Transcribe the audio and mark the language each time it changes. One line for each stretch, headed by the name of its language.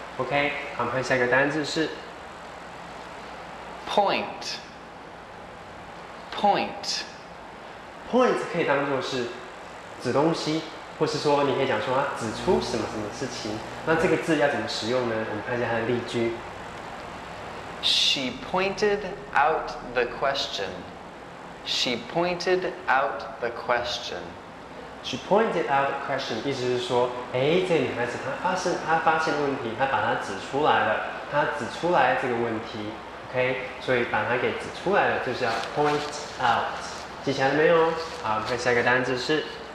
Chinese: OK， 好，我们看下一个单字是
English: point。 Point。
Chinese: Point 可以当作是指东西，或是说你可以讲说它指出什么什么事情。那这个字要怎么使用呢？我们看一下它的例句。
English: She pointed out the question. She pointed out the question. She pointed out the question，
Chinese: 意思是说，这个女孩子她发现问题，她把它指出来了，她指出来这个问题。 OK， 所以把它给指出来了，就是要 point out。记起来了没有？好，看下一个单字是